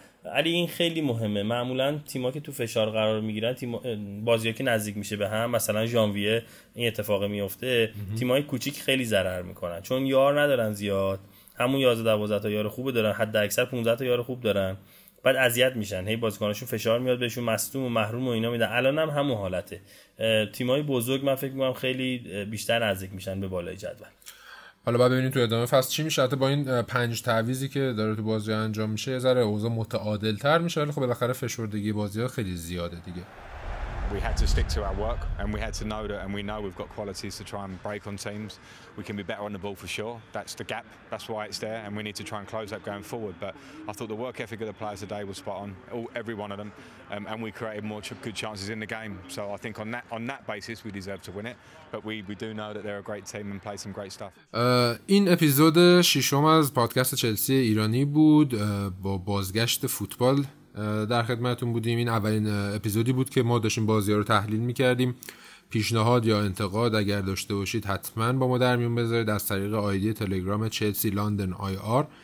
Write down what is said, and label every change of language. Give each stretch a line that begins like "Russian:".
Persian: و علی این خیلی مهمه، معمولا تیما که تو فشار قرار میگیرن، تیم بازیا که نزدیک میشه به هم، مثلا ژانویه این اتفاق میفته، تیمای کوچیک خیلی ضرر میکنن، چون یار ندارن زیاد، همون 11 12 تا یار خوب دارن، حد اکثر 15 تا یار خوب دارن، بعد اذیت میشن، هی بازیکناشون فشار میاد بهشون، مصدوم و محروم و اینا میدن. الان هم همون حالته، تیمای بزرگ من فکر میکنم خیلی بیشتر نزدیک میشن به بالای جدول. حالا بعد ببینیم تو ادامه فصل چی میشه. حتی با این 5 تعویضی که داره تو بازی انجام میشه، یه ذره اوضاع متعادل تر میشه، ولی خب بالاخره فشردگی بازی ها خیلی زیاده دیگه.
English: We had to stick to our work and we had to know that, and we know we've got qualities to try and break on teams. We can be better on the ball for sure. That's the gap. That's why it's there, and we need to try and close that going forward. But I thought the work ethic of the players today was spot on, every one of them, and we created more good chances in the game. So I think on that basis we deserve to win it. But we do know that they're a great team and play some great stuff.
Persian: این اپیزود ششم از پادکست چلسی ایرانی بود، با بازگشت فوتبال در خدمتون بودیم. این اولین اپیزودی بود که ما داشتیم بازی ها رو تحلیل میکردیم. پیشنهاد یا انتقاد اگر داشته باشید حتما با ما در میون بذارید از طریق آیدی تلگرام چلسی لندن IR.